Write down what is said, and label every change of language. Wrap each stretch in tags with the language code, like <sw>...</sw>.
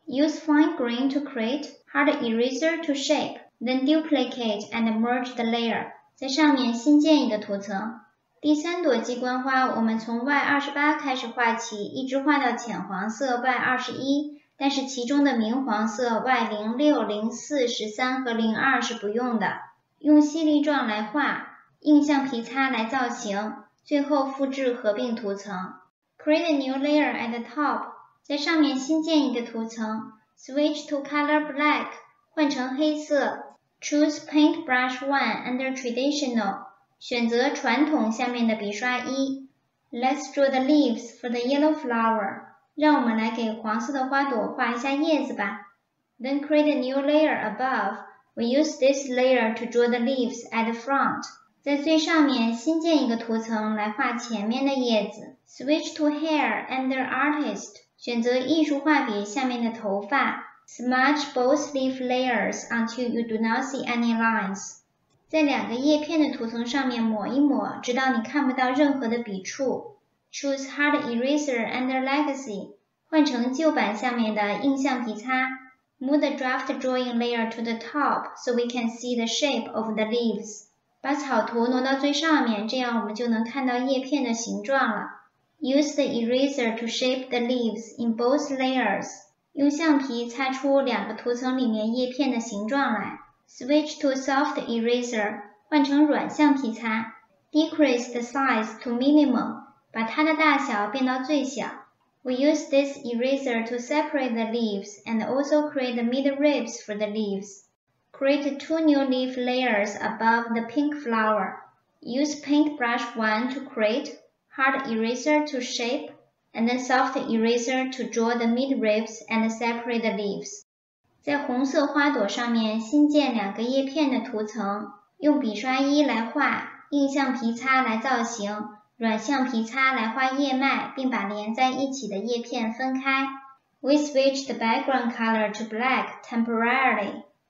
<en>Use fine grain to create, hard eraser to shape, then duplicate and merge the layer.</en> <zh>在上面新建一个图层。第三朵鸡冠花，我们从 Y28 开始画起，一直画到浅黄色 Y21， 但是其中的明黄色 Y06、04、13和02是不用的。用细粒状来画，印象皮擦来造型，最后复制合并图层。</zh> <en>Create a new layer at the top，</en> <zh>在上面新建一个图层。</zh> <en>Switch to color black，</en> <zh>换成黑色。</zh> <en>Choose paintbrush 1 under traditional,</en> <zh>选择传统下面的笔刷一。</zh> <en>Let's draw the leaves for the yellow flower,</en> <zh>让我们来给黄色的花朵画一下叶子吧。</zh> <en>Then create a new layer above, we use this layer to draw the leaves at the front.</en> <zh>在最上面新建一个图层来画前面的叶子。</zh> <en>Switch to hair under artist,</en> <zh>选择艺术画笔下面的头发。</zh> <en>Smudge both leaf layers until you do not see any lines.</en> <zh>在两个叶片的图层上面抹一抹，直到你看不到任何的笔触。</zh> <en>Choose hard eraser under legacy.</en> <zh>换成旧版下面的印象笔擦。</zh> <en>Move the draft drawing layer to the top so we can see the shape of the leaves.</en> <zh>把草图挪到最上面，这样我们就能看到叶片的形状了。</zh> <en>Use the eraser to shape the leaves in both layers.</en> <zh>用橡皮擦出两个图层里面叶片的形状来。</zh> <en>Switch to soft eraser,</en> <zh>换成软橡皮擦。</zh> <en>Decrease the size to minimum,</en> <zh>把它的大小变到最小。</zh> <en>We use this eraser to separate the leaves and also create the middle ribs for the leaves. Create two new leaf layers above the pink flower. Use paintbrush 1 to create, hard eraser to shape,and then soft eraser to draw the midribs and separate the leaves.</en> <zh>在红色花朵上面新建两个叶片的图层，用笔刷一来画，印象皮擦来造型，软橡皮擦来画叶脉，并把连在一起的叶片分开。</zh> <en>We switch the background color to black temporarily.</en>